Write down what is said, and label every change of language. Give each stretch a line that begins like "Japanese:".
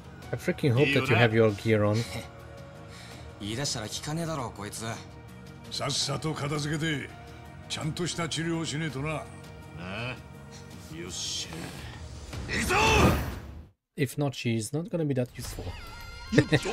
English: I freaking hope that you have your gear on。
Japanese: 言い出したら聞かねえだろうこいつ。さっさと片付けてちゃんとした治療をしねえとな。なあ、よっしゃ、行くぞ。
English: If not, she's not gonna be that useful.